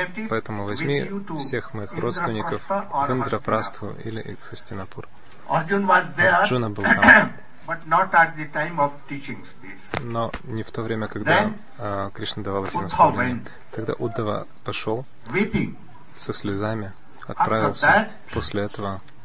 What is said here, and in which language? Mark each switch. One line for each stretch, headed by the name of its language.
Russian: Поэтому возьми всех моих родственников в Индрапрасту или в Хастинапур. Арджуна был там.
English: But not at the time of teachings, this.
Russian: Но не в то время, когда Кришна давал эти наставления. Тогда Уддава пошел
English: weeping.
Russian: Со слезами, отправился после этого.